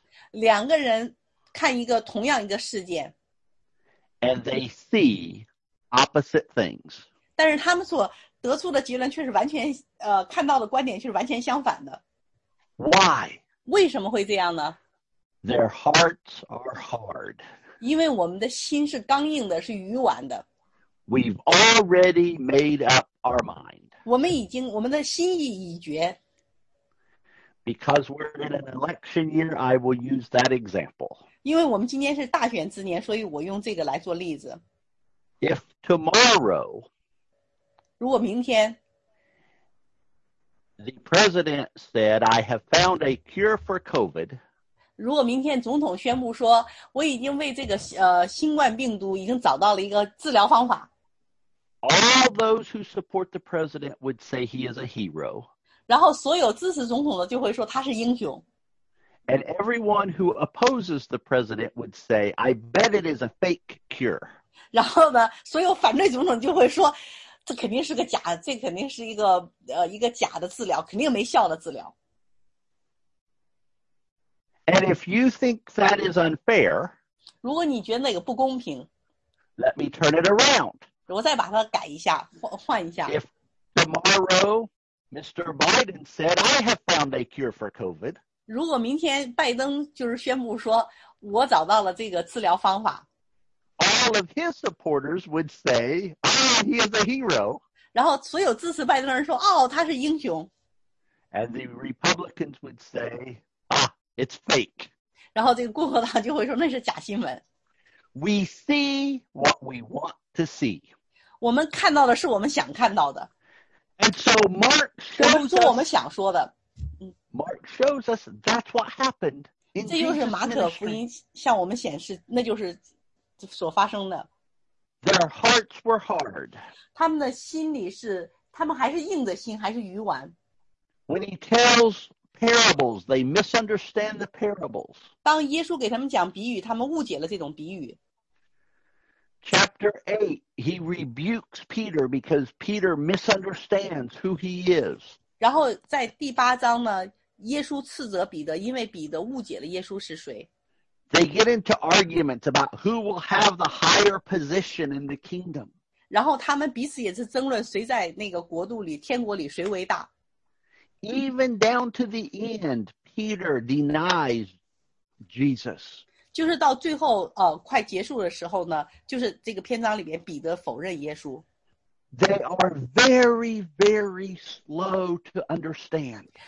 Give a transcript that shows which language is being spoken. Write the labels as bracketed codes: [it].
[zh] 两个人看一个同样一个事件。 [en] And they see opposite things. [zh] 但是他们所得出的结论却是完全看到的观点却是完全相反的。 [en] Why? [zh] 为什么会这样呢? [en] Their hearts are hard. [zh] 因为我们的心是刚硬的，是愚顽的。 [en] We've already made up our mind. [zh] 我们的心意已决。 [en] Because we're in an election year, I will use that example. [zh] 因为我们今天是大选之年，所以我用这个来做例子。 [en] If tomorrow, [zh] 如果明天 [en] ，the president said, "I have found a cure for COVID." [zh] 如果明天总统宣布说我已经为这个新冠病毒已经找到了一个治疗方法。 [en] All those who support the president would say he is a hero. [zh] 然后所有支持总统的就会说他是英雄。 [en] And everyone who opposes the president would say, I bet it is a fake cure. [zh] 然后呢所有反对总统就会说这肯定是个假这肯定是一个假的治疗肯定没效的治疗。 [en] And if you think that is unfair, [zh] 如果你觉得那个不公平, [en] let me turn it around. [zh] 我再把它改一下, 换一下。 [en] If tomorrow Mr. Biden said, I have found a cure for COVID, [zh] 如果明天拜登就是宣布说我找到了这个治疗方法, [en] all of his supporters would say, he is a hero. [zh] 然后所有支持拜登的人说, 哦, 他是英雄。 [en] And the Republicans would say,It's fake. [zh] 然后这个共和党就会说那是假新闻。 [en] We see what we want to see. [zh] 我们看到的是我们想看到的。 [en] And so Mark shows us. [zh] 我们做我们想说的。 [en] Mark shows us that's what happened. [zh] 这就是马可福音向我们显示，那就是所发生的。 [en] Their hearts were hard. [zh] 他们的心里是，他们还是硬的心，还是愚顽。 [en] When he tells. Parables, they misunderstand the parables. [zh] 当耶稣给他们讲比喻，他们误解了这种比喻。 [en] Chapter 8, he rebukes Peter because Peter misunderstands who he is. [zh] 然后在第八章呢，耶稣斥责彼得，因为彼得误解了耶稣是谁。 [en] They get into arguments about who will have the higher position in the kingdom. [zh] 然后他们彼此也是争论谁在那个国度里，天国里谁为大。 [en] Even down to the end, Peter denies Jesus. [zh] 就是到最后快结束的时候呢，就是这个篇章里面，彼得否认耶稣。 [en] They are very, very slow to understand.